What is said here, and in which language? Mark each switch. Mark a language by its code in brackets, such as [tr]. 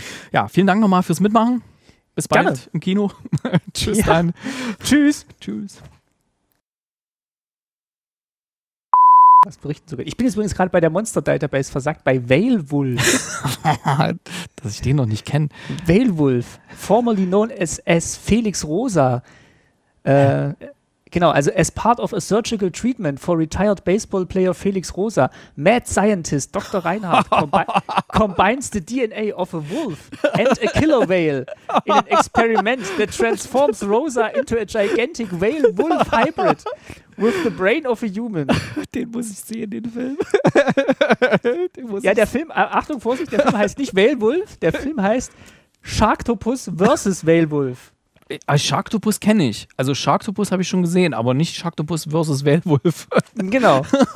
[de] Ja, vielen Dank nochmal fürs Mitmachen. Bis bald gerne. Im Kino. Tschüss dann. Tschüss. Tschüss. Was berichten sogar? Ich bin jetzt übrigens gerade bei der Monster Database versagt, bei Veilwulf. Dass ich den noch nicht kenne. [en] Veilwulf, formerly known as Felix Rosa. [de] Genau, also [en] as part of a surgical treatment for retired baseball player Felix Rosa, mad scientist Dr. Reinhardt combines the DNA of a wolf and a killer whale in an experiment that transforms Rosa into a gigantic whale-wolf hybrid with the brain of a human. [de] Den muss ich sehen, den Film. Achtung, Vorsicht, der Film heißt nicht Whale-Wolf, der Film heißt Sharktopus versus Whale-Wolf. Als Sharktopus kenne ich. Also Sharktopus habe ich schon gesehen, aber nicht Sharktopus versus Werwolf. Genau.